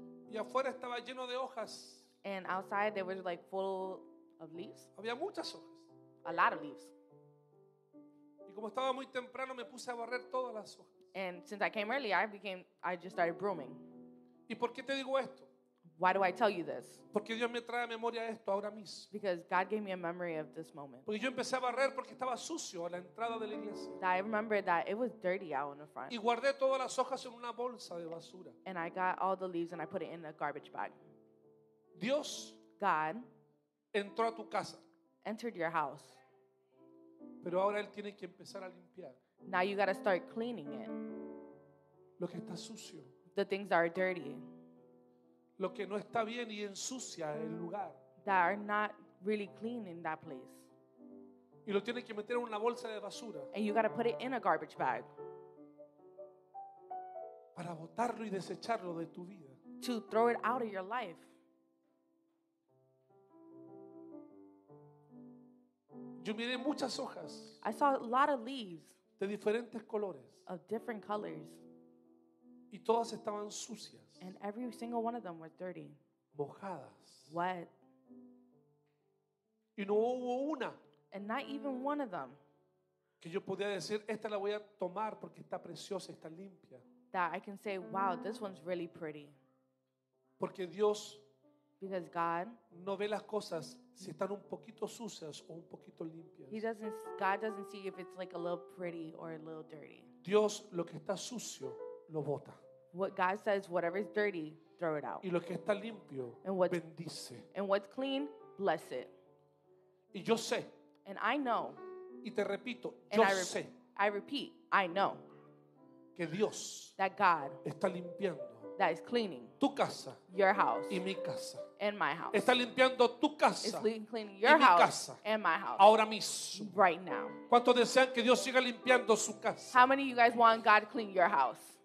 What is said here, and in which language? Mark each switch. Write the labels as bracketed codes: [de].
[es] Y afuera estaba lleno de hojas. [en] And outside there was like full of leaves. [es] Había muchas hojas. [en] A lot of leaves. [es] Y como estaba muy temprano, me puse a barrer todas las hojas. [en] And since I came early, I just started brooming. [es] ¿Y por qué te digo esto? [en] Why do I tell you this? [es] Porque Dios me trae a memoria esto ahora mismo. [en] Because God gave me a memory of this moment. [es] Porque yo empecé a barrer porque estaba sucio a la entrada de la iglesia. [en] That I remember that it was dirty out in the front. [es] Y guardé todas las hojas en una bolsa de basura. [en] And I got all the leaves and I put it in a garbage bag. [es] Dios, [en] God, [es] entró a tu casa. [en] Entered your house. [es] Pero ahora él tiene que empezar a limpiar. [en] Now you got to start cleaning it. [es] Lo que está sucio. [en] The things that are dirty. [es] Lo que no está bien y ensucia el lugar. [en] That are not really clean in that place. [es] Y lo tiene que meter en una bolsa de basura. [en] And you got to put it in a garbage bag. [es] Para botarlo y desecharlo de tu vida. [en] To throw it out of your life. [es] Yo miré muchas hojas. [en] I saw a lot of leaves. [es] De diferentes colores. [en] Of different colors. [es] Y todas estaban sucias. [en] And every single one of them were dirty. [es] Mojadas. [en] Wet. [es] Y no hubo una. [en] And not even one of them. [es] Que yo podía decir, esta la voy a tomar porque está preciosa, está limpia. [en] That I can say, wow, this one's really pretty. [es] Porque Dios. [en] Because God. [es] No ve las cosas si están un poquito sucias o un poquito limpias. [en] He doesn't. God doesn't see if it's like a little pretty or a little dirty. [es] Dios lo que está sucio lo bota. [en] What God says, whatever is dirty, throw it out. [es] Y lo que está limpio, [en] and what's, [es] bendice. [en] And what's clean, bless it. [es] Y yo sé. [en] And I know. [es] Y te repito, and yo sé. [en] I repeat, I know. [es] Que Dios. [en] That God. [es] Está limpiando. [en] That is cleaning. [es] Tu casa. [en] Your house. [es] Y mi casa. [en] And my house. [es] Está limpiando tu casa. [en] Is cleaning your house. [es] Y mi casa. [en] And my house. [es] Ahora mismo. [en] Right now. [es] ¿Cuántos desean que Dios siga limpiando su casa? [en] How many of you guys want God to clean your house?